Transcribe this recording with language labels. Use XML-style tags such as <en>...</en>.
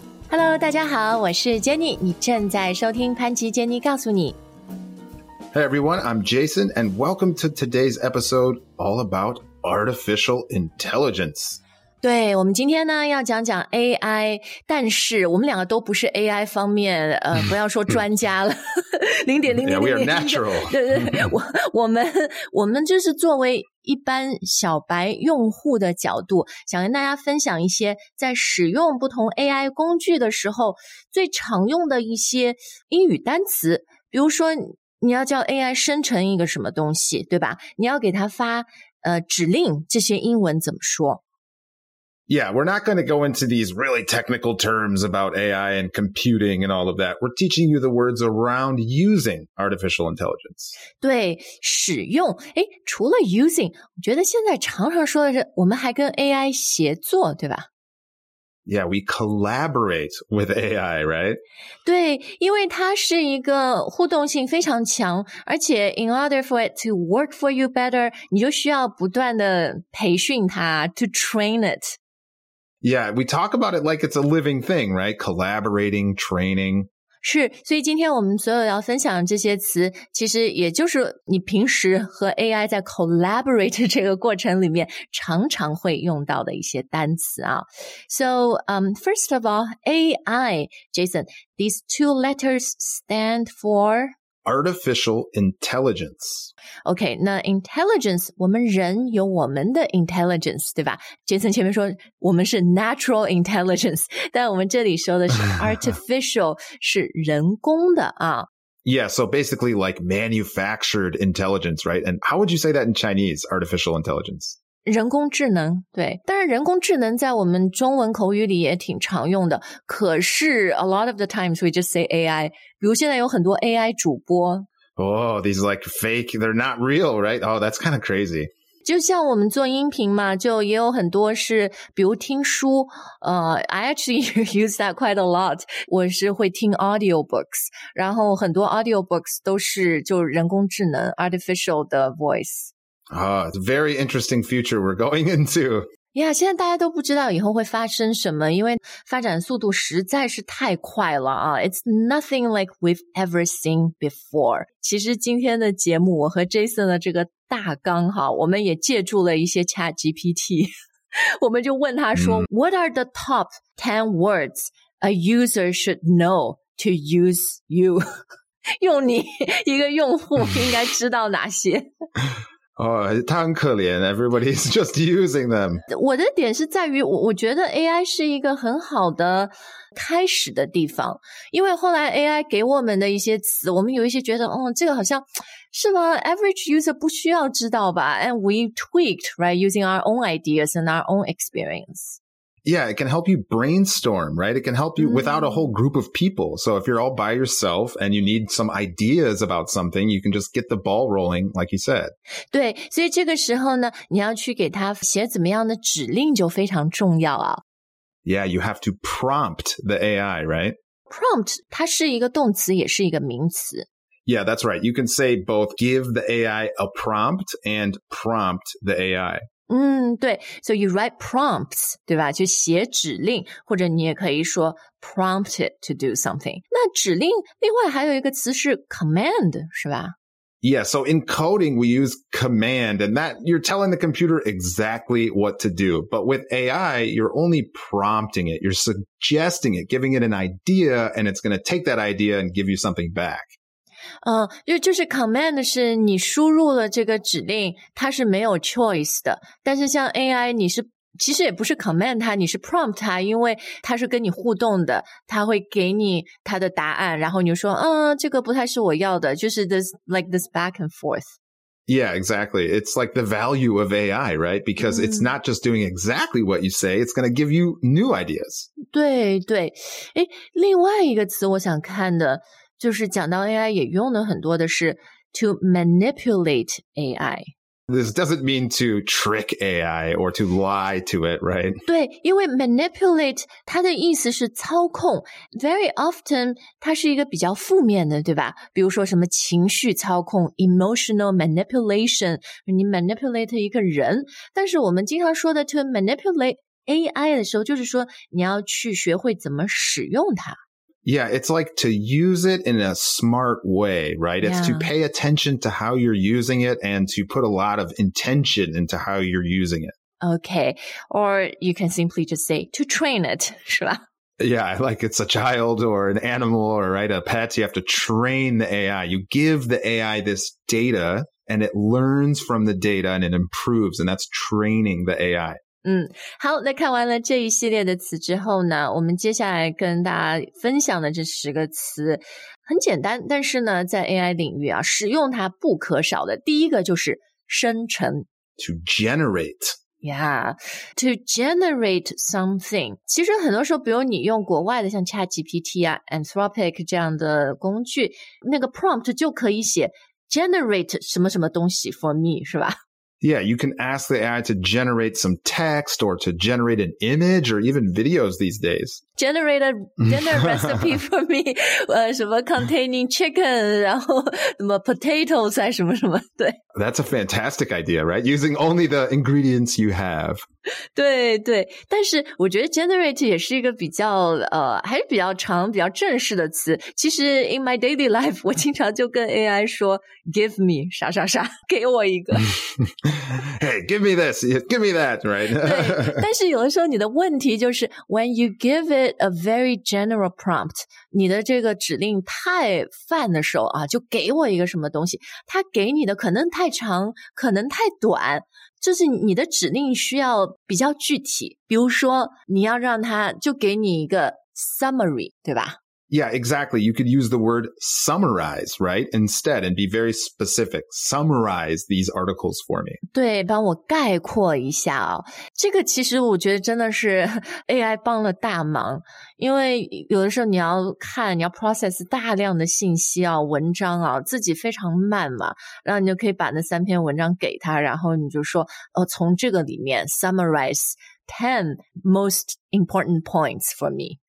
<zh>Hello， 大家好，我是 Jenny， 你正在收听潘吉 Jenny 告诉你。</zh> <en>Hey everyone, I'm Jason, and welcome to today's episode all about artificial intelligence.</en> <zh>对，我们今天呢要讲讲 AI， 但是我们两个都不是 AI 方面，不要说专家了，零点零零零。</zh> <en>Yeah, we are natural.</en> <zh>对对，我们就是作为一般小白用户的角度，想跟大家分享一些在使用不同 AI 工具的时候最常用的一些英语单词，比如说。你要叫 AI 生成一个什么东西，对吧？你要给它发指令，这些英文怎么说？</zh> <en>Yeah, we're not going to go into these really technical terms about AI and computing and all of that. We're teaching you the words around using artificial intelligence.</en> <zh>对，使用。诶，除了 using, 我觉得现在常常说的是我们还跟 AI 协作，对吧？</zh> <en>Yeah, we collaborate with AI, right?</en> <zh>对，因为它是一个互动性非常强，而且</zh> <en>in order for it to work for you better,</en> <zh>你就需要不断的培训它</zh> <en>to train it. Yeah, we talk about it like it's a living thing, right? Collaborating, training.</en> <zh>是，所以今天我们所有要分享这些词，其实也就是你平时和 AI 在 collaborate 这个过程里面常常会用到的一些单词啊。</zh> <en>So, first of all, AI, Jason, these two letters stand for? Artificial intelligence.</en> <zh>Okay, 那 intelligence, 我们人有我们的 intelligence, 对吧？ Jason 前面说我们是 natural intelligence, 但我们这里说的是 artificial, 是人工的啊。</zh> <en>Yeah, so basically like manufactured intelligence, right? And how would you say that in Chinese, artificial intelligence?</en> <zh>人工智能，对。但是人工智能在我们中文口语里也挺常用的。可是</zh> <en>a lot of the times we just say AI,</en> <zh>比如现在有很多 AI 主播。</zh> <en>Oh, these like fake, they're not real, right? Oh, that's kind of crazy.</en> <zh>就像我们做音频嘛，就也有很多是比如听书，</zh> <en>I actually use that quite a lot.</en> <zh>我是会听 audiobooks, 然后很多 audiobooks 都是就人工智能 artificial 的 voice。</zh> <en>Ah, it's a very interesting future we're going into.</en> <zh>Yeah, 现在大家都不知道以后会发生什么，因为发展速度实在是太快了啊。</zh> <en>It's nothing like we've ever seen before.</en> <zh>其实今天的节目，我和 Jason 的这个大纲哈，我们也借助了一些 ChatGPT， 我们就问他说、</zh> <en>What are the top 10 words a user should know to use you?</en> <zh>用你一个用户应该知道哪些？</zh> <en>Oh,</en> <zh>他很可怜</zh> <en>everybody's just using them.</en> <zh>我的点是在于我觉得 AI 是一个很好的开始的地方。因为后来 AI 给我们的一些词我们有一些觉得哦这个好像是吗 ?</zh> <en>Average user</en> <zh>不需要知道吧 ?</zh> <en>And we tweaked, right, using our own ideas and our own experience. Yeah, it can help you brainstorm, right? It can help you without a whole group of people. So if you're all by yourself and you need some ideas about something, you can just get the ball rolling, like you said.</en> <zh>对，所以这个时候呢，你要去给他写怎么样的指令就非常重要啊。</zh> <en>Yeah, you have to prompt the AI, right?</en> <zh>Prompt, 它是一个动词，也是一个名词。</zh> <en>Yeah, that's right. You can say both give the AI a prompt and prompt the AI.</en> <zh>对 ,</zh> <en>so you write prompts,</en> <zh>对吧就写指令或者你也可以说</zh> <en>prompt it to do something.</en> <zh>那指令另外还有一个词是 command, 是吧</zh> <en>?Yeah, so in coding, we use command, and that, you're telling the computer exactly what to do. But with AI, you're only prompting it, you're suggesting it, giving it an idea, and it's going to take that idea and give you something back.</en> <zh>就是 command 是你输入了这个指令它是没有 choice 的但是像 AI 你是其实也不是 command 它你是 prompt 它因为它是跟你互动的它会给你它的答案然后你说这个不太是我要的就是</zh> <en>this, like this back and forth Yeah, exactly. It's like the value of AI, right? Because it's not just doing exactly what you say, it's going to give you new ideas</en> <zh>对对另外一个词我想看的就是讲到 AI 也用的很多的是</zh> <en>to manipulate AI. This doesn't mean to trick AI or to lie to it, right?</en> <zh>对因为 manipulate 它的意思是操控</zh> <en>very often</en> <zh>它是一个比较负面的对吧比如说什么情绪操控</zh> <en>emotional manipulation,</en> <zh>你 manipulate 一个人但是我们经常说的</zh> <en>to manipulate</en> <zh>AI 的时候，就是说你要去学会怎么使用它。</zh> <en>Yeah, it's like to use it in a smart way, right? It's to pay attention to how you're using it and to put a lot of intention into how you're using it. Okay, or you can simply just say to train it,</en> <zh>是吧?</zh> <en>Yeah, like it's a child or an animal or right, a pet, you have to train the AI. You give the AI this data and it learns from the data and it improves, and that's training the AI.</en> <zh>好，那看完了这一系列的词之后呢，我们接下来跟大家分享的这十个词很简单，但是呢在 AI 领域啊使用它不可少的。第一个就是生成。</zh> <en>To generate. Yeah, to generate something.</en> <zh>其实很多时候比如你用国外的像 ChatGPT 啊 Anthropic 这样的工具，那个 prompt 就可以写 generate 什么什么东西</zh> <en>for me,</en> <zh>是吧？</zh> <en>Yeah, you can ask the AI to generate some text or to generate an image or even videos these days. Generate a dinner recipe for me, 什么 containing chicken,</en> <zh>然后什么</zh> <en>potatoes</en> <zh>啊什么什么，对。</zh> <en>That's a fantastic idea, right? Using only the ingredients you have.</en> <zh>对对，但是我觉得 generate 也是一个比较还是比较长比较正式的词。其实</zh> <en>in my daily life,</en> <zh>我经常就跟 AI 说</zh> <en>give me</en> <zh>啥啥啥，给我一个。</zh> <en>Hey, give me this, give me that, right?</en> <zh>对，但是有的时候你的问题就是</zh> <en>when you give it a very general prompt,</en> <zh>你的这个指令太泛的时候啊，就给我一个什么东西，它给你的可能太长，可能太短，就是你的指令需要比较具体，比如说你要让它就给你一个 summary, 对吧？</zh> <en>Yeah, exactly. You could use the word summarize, right? Instead, and be very specific. Summarize these articles for me.</en> <zh>对，帮我概括一下哦。这个其实我觉得真的是 AI 帮了大忙，因为有的时候你要看，你要 process 大量的信息啊，文章啊，自己非常慢嘛，然后你就可以把那三篇文章给他，然后你就说，从这个里面</zh> <en>summarize 10 most important points for me.</en>